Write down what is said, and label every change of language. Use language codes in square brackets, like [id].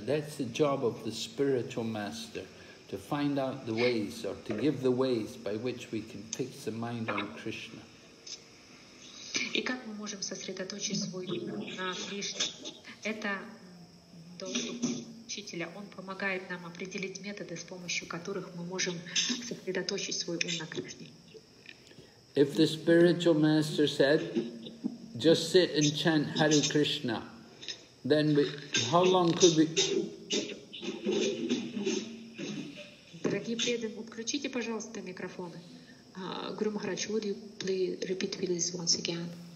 [en] That's the job of the spiritual master, to find out the ways or to give the ways by which we can fix the mind on Krishna. [ru] И как мы можем сосредоточить свой ум на Кришне? Это долг учителя. Он помогает нам определить методы, с помощью которых мы можем сосредоточить свой ум на Кришне. [en] If the spiritual master said, just sit and chant Hare Krishna, then how long could we... [ru] Дорогие преданные, отключите, пожалуйста, микрофоны. [en] Guru Maharaj, would you please repeat this once again?